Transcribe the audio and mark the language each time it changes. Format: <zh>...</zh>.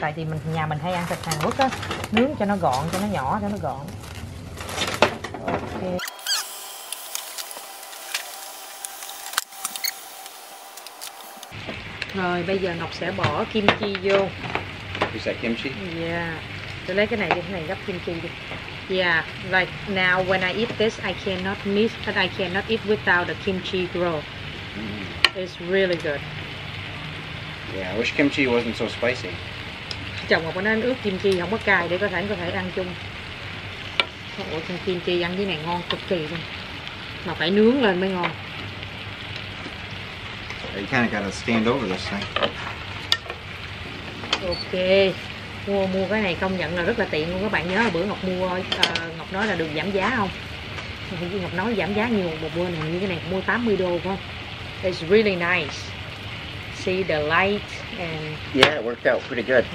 <vi>Tại vì mình nhà mình hay ăn thịt Hàn Quốc á, nướng cho nó gọn, cho nó nhỏ, cho nó gọn. Okay. Rồi bây giờ Ngọc sẽ bỏ kim chi vô.</vi> <en>Is that kimchi? Yeah.</en> <vi>Tôi lấy cái này đi, cái này gấp kim chi đi.</vi> <en>Yeah, like now when I eat this, I cannot miss, but I cannot eat without the kimchi roll. It's really good. Yeah, I wish kimchi wasn't so spicy.</en> <vi>Chồng Ngọc nói ướp kim chi không có cay để có thể ăn chung. Ủa, kim chi ăn với này ngon cực kỳ luôn. Mà phải nướng lên mới ngon.</vi> <en>You kind of got to stand over this thing. Okay.</en> <vi>Mua cái này công nhận là rất là tiện luôn. Các bạn nhớ là bữa Ngọc mua, Ngọc nói là được giảm giá không? Ngọc nói giảm giá nhiều một bữa này, như cái này mua 80 đô không?</vi> <en>It's really nice. See the light and... Yeah, it worked out pretty good.</en>